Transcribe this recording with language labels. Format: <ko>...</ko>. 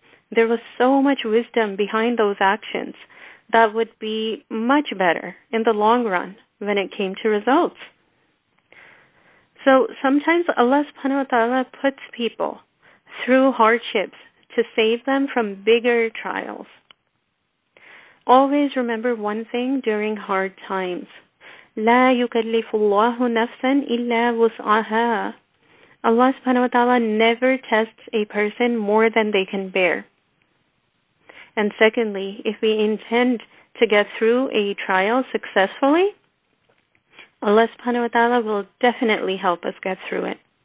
<en>There was so much wisdom behind those actions that would be much better in the long run when it came to results. So sometimes Allah subhanahu wa ta'ala puts people through hardships to save them from bigger trials. Always remember one thing during hard times.</en> <ar>لا يكلف الله نفسا إلا وسعها.</ar> <en>Allah subhanahu wa ta'ala never tests a person more than they can bear. And secondly, if we intend to get through a trial successfully, Allah subhanahu wa ta'ala will definitely help us get through it.</en>